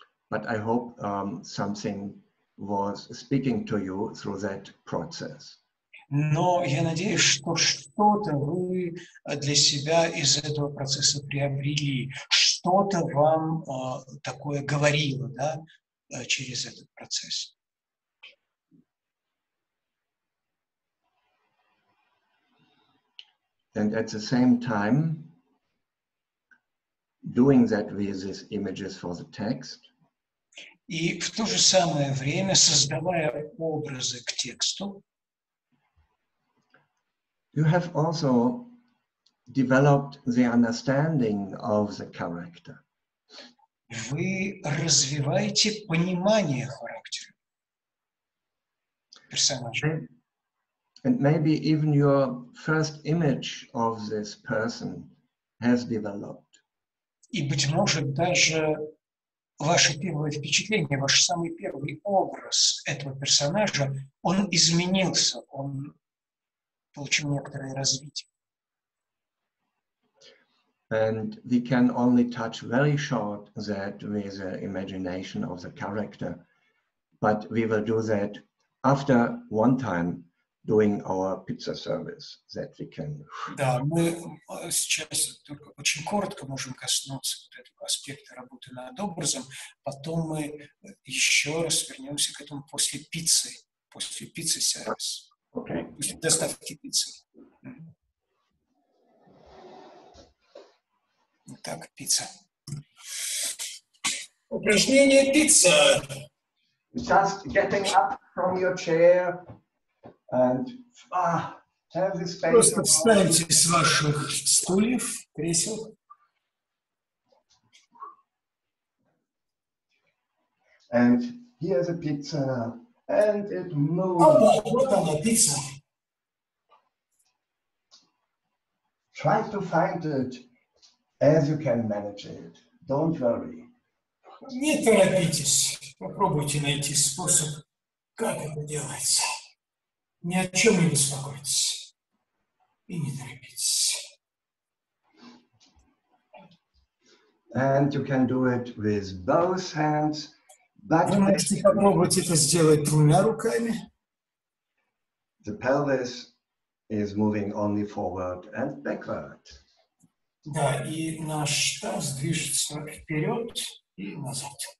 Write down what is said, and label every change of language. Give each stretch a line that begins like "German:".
English: But I hope something was speaking to you through that process.
Russian: Но я надеюсь, что что-то вы для себя из этого процесса приобрели, что-то вам такое говорило, да, через этот процесс.
English: And at the same time, doing that with these images for the text.
Russian: И в то же самое время создавая образы к тексту.
English: You have also developed the understanding of the character.
Russian: Вы развиваете понимание характера персонажа.
English: And maybe even your first image of this person has developed.
Russian: И, быть может, даже ваше первое впечатление, ваш самый первый образ этого персонажа, он изменился, он получил некоторое развитие.
English: And we can only touch very short that with the imagination of the character, but we will do that after one time doing our pizza service, that we can...
Russian: Да, мы сейчас только очень коротко можем коснуться вот этого аспекта работы над образом, потом мы еще раз вернемся к этому после пиццы сервис, okay. После доставки пиццы. Так, пицца. Упражнение пицца.
English: Just getting up from your chair. And have this space.
Russian: Просто встаньте с ваших стульев, кресел.
English: And here's a pizza. And it moves.
Russian: Oh, вот она, пицца.
English: Try to find it as you can manage it. Don't worry.
Russian: Не торопитесь. Попробуйте найти способ, как это делать. Ни о чем не беспокойтесь и не торопитесь.
English: And you can do it with both hands, but
Russian: вы можете попробовать это сделать двумя руками.
English: The pelvis is moving only forward and backward.
Russian: Да, и наш таз движется вперед и назад.